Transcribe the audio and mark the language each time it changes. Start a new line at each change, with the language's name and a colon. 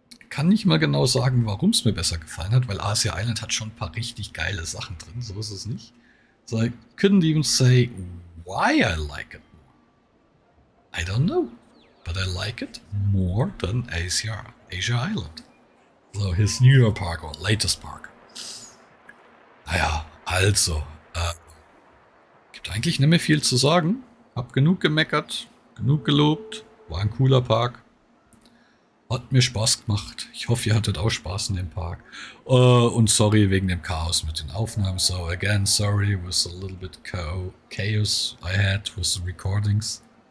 German: Kann nicht mal genau sagen, warum es mir besser gefallen hat, weil Asia Island hat schon ein paar richtig geile Sachen drin, so ist es nicht.
English: So I couldn't even say why I like it more. I don't know. But I like it more than Asia Island. So his newer park or latest park. Naja,
German: Also, gibt eigentlich nicht mehr viel zu sagen. Hab genug gemeckert, genug gelobt. War ein cooler Park. Hat mir Spaß gemacht. Ich hoffe, ihr hattet auch Spaß in dem Park. Und sorry wegen dem Chaos mit den Aufnahmen.
English: So, again, sorry with a little bit chaos I had with the recordings.